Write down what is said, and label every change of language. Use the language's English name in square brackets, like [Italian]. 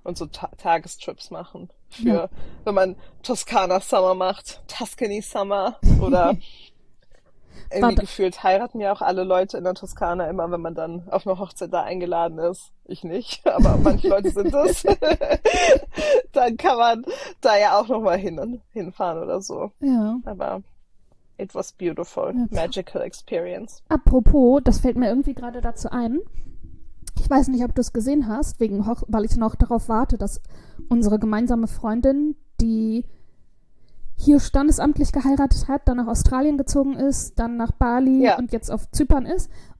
[German] Und so Ta Tagestrips machen für, wenn man Toskana Summer macht, Tuscany Summer oder irgendwie gefühlt heiraten ja auch alle Leute in der Toskana immer, wenn man dann auf eine Hochzeit da eingeladen ist. Ich nicht, aber manche Leute sind es. Dann kann man da ja auch nochmal hinfahren oder so. [English] Aber it was beautiful, magical experience. [German] Apropos, das fällt mir irgendwie gerade dazu ein. Ich weiß nicht, ob du es gesehen hast, weil ich noch darauf warte, dass unsere gemeinsame Freundin, die hier standesamtlich geheiratet hat, dann nach Australien gezogen ist, dann nach Bali Ja. und jetzt auf Zypern ist.